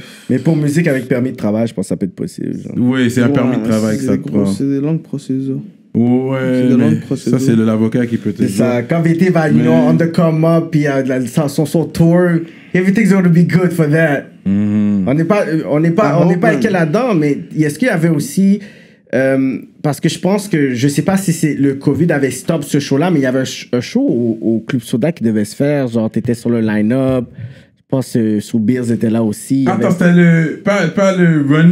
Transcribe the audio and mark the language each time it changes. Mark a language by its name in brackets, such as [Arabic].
[French] Mais pour musique avec permis de travail, je pense que ça peut être possible. Oui, c'est un permis de travail que ça prend. C'est des longues procédures. Ouais, ça, c'est l'avocat qui peut te dire. C'est ça. Quand VT va, [English] you know, on the come up, [French] puis sur son tour, [English] everything's going to be good for that. [French] On n'est pas équel là-dedans, mais est-ce qu'il y avait aussi... parce que je pense que... Je sais pas si c'est le COVID avait stop ce show-là, mais il y avait un show au Club Soda qui devait se faire. Genre, t'étais sur le line-up. Je pense que Soubirz était là aussi. Attends, c'était le... Pas le Run